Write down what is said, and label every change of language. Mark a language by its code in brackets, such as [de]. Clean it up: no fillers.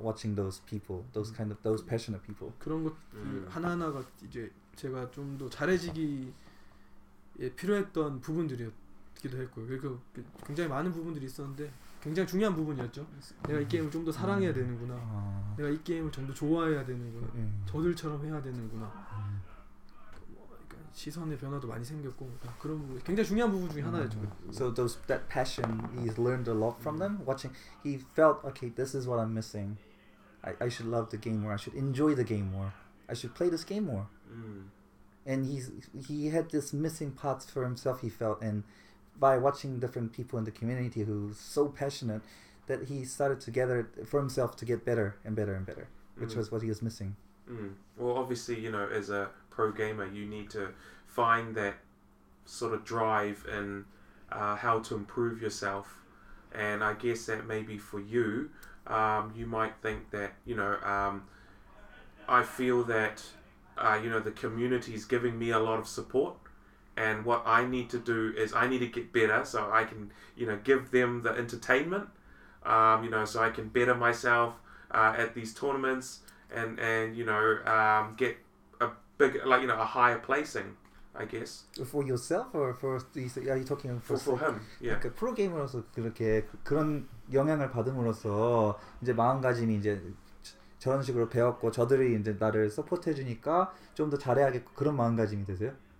[en] Watching those people, those kind of those passionate people. [ko] 그런 것 하나하나가 이제 제가 좀 더 잘해지기에 필요했던 부분들이었기도 했고요. 그러니까 굉장히 많은 부분들이 있었는데 굉장히 중요한 부분이었죠. 내가 이 게임을 좀 더 사랑해야 되는구나. 내가 이 게임을 좀 더 좋아해야 되는구나. 저들처럼 해야 되는구나. 그러니까 시선의 변화도 많이 생겼고 그런 부분, 굉장히 중요한 부분 중에 하나였죠. [en] So those that passion, he's learned a lot from them. Watching, he felt, okay, this is what I'm missing. I should love the game more. I should enjoy the game more. I should play this game more. And he had this missing parts for himself, he felt, and by watching different people in the community who so passionate that he started to gather for himself to get better and better and better, which was what he was missing. Well, obviously, you know, as a pro gamer, you need to find that sort of drive in how to improve yourself. And I guess that maybe for you, you might think that, you know, I feel that, you know, the community is giving me a lot of support. And what I need to do is I need to get better so I can, you know, give them the entertainment, you know, so I can better myself at these tournaments and you know, get a big, like, you know, a higher placing, I guess. For yourself or for, are you talking for... For him, yeah. [ko] 그 프로게이머로서 그렇게 그런 영향을 받음으로써 이제 마음가짐이 이제 저런 식으로 배웠고 저들이 이제 나를 서포트해 주니까 좀 더 잘해야겠고 그런 마음가짐이 되세요?